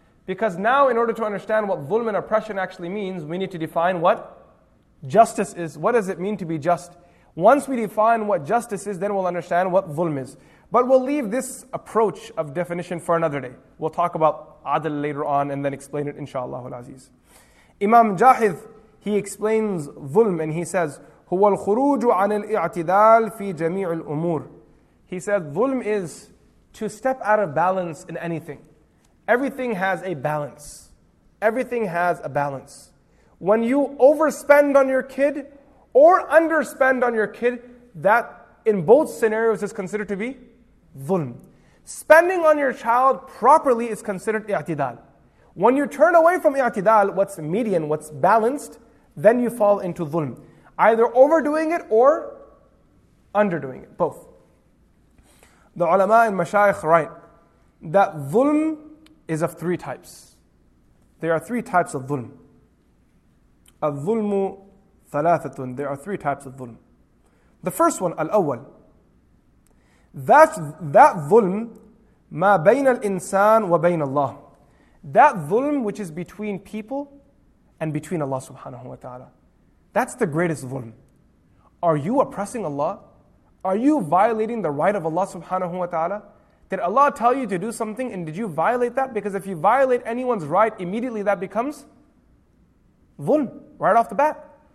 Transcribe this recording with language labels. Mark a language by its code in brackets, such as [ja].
[en] Because now in order to understand what ظلم and oppression actually means, we need to define what justice is. What does it mean to be just? Once we define what justice is, then we'll understand what ظلم is. But we'll leave this approach of definition for another day. We'll talk about عدل later on and then explain it inshallah al-Aziz. Imam Jahid, he explains ظلم and he says, [ar] هو الخروج عن الاعتدال في جميع الأمور. [en] He said ظلم is to step out of balance in anything. Everything has a balance. Everything has a balance. When you overspend on your kid or underspend on your kid, that in both scenarios is considered to be ظلم. Spending on your child properly is considered اعتدال. When you turn away from اعتدال, what's median, what's balanced, then you fall into ظلم. Either overdoing it or underdoing it, both. The ulama and mashayikh write that ظلم is of three types. There are three types of ظلم. [ar] الظلم ثلاثة. [en] There are three types of ظلم. The first one, الأول. That [ar] ظلم ما بين الإنسان وبين الله. [en] That ظلم which is between people and between Allah subhanahu wa ta'ala. That's the greatest ظلم. Are you oppressing Allah? Are you violating the right of Allah subhanahu wa ta'ala? Did Allah tell you to do something and did you violate that? Because if you violate anyone's right, immediately that becomes ظلم, right off the bat.